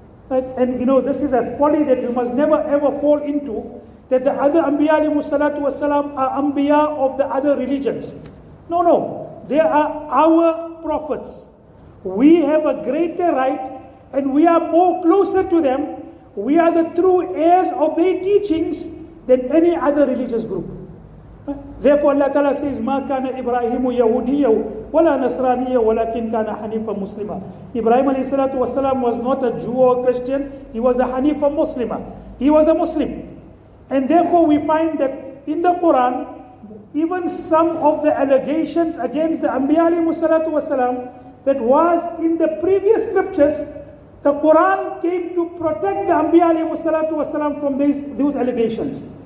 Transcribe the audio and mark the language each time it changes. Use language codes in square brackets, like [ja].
[en] And you know, this is a folly that you must never ever fall into, that the other Anbiya alayhimus salatu wassalam are Anbiya of the other religions. No, no. They are our prophets. We have a greater right and we are more closer to them. We are the true heirs of their teachings than any other religious group. Therefore, Allah Ta'ala says, [ar] مَا كَانَ إِبْرَاهِيمُ يَهُودِيَّ وَلَا نَصْرَانِيَّ وَلَكِنْ كَانَ حَنِيفًا مُسْلِمًا. [en] Ibrahim alayhi salatu wasalam was not a Jew or a Christian. He was a Hanifa Muslima. He was a Muslim. And therefore, we find that in the Quran, even some of the allegations against the Anbiya alayhi salatu wasalam that was in the previous scriptures, the Quran came to protect the Anbiya alayhi salatu wasalam from those allegations.